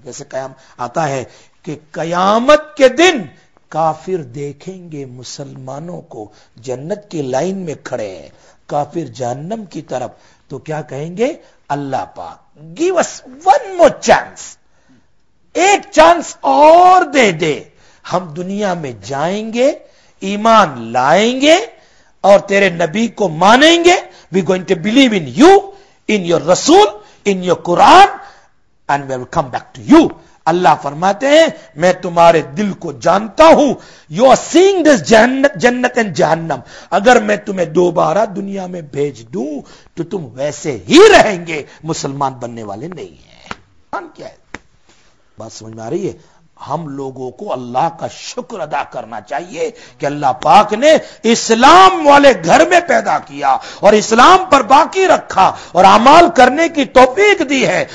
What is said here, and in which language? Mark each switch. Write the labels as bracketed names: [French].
[Urdu] جیسے قیام آتا ہے کہ قیامت کے دن کافر دیکھیں گے مسلمانوں کو جنت کی لائن میں کھڑے ہیں، کافر جہنم کی طرف، تو کیا کہیں گے؟ اللہ پاک [English] gave us one more chance, [Urdu] ایک چانس اور دے دے، ہم دنیا میں جائیں گے، ایمان لائیں گے اور تیرے نبی کو مانیں گے. [English] We going to believe in you, in your رسول، in your Quran, and we will come back to you. [Urdu] Allah فرماتے ہیں میں تمہارے دل کو جانتا ہوں. [English] You are seeing this جنت and جہنم. [Urdu] اگر میں تمہیں دوبارہ دنیا میں بھیج دوں تو تم ویسے ہی رہیں گے، مسلمان بننے والے نہیں ہیں. قرآن کیا ہے؟ بات سمجھ میں آ رہی ہے؟ ہم لوگوں کو اللہ کا شکر ادا کرنا چاہیے کہ اللہ پاک نے اسلام والے گھر میں پیدا کیا اور اسلام پر باقی رکھا اور اعمال کرنے کی توفیق دی ہے.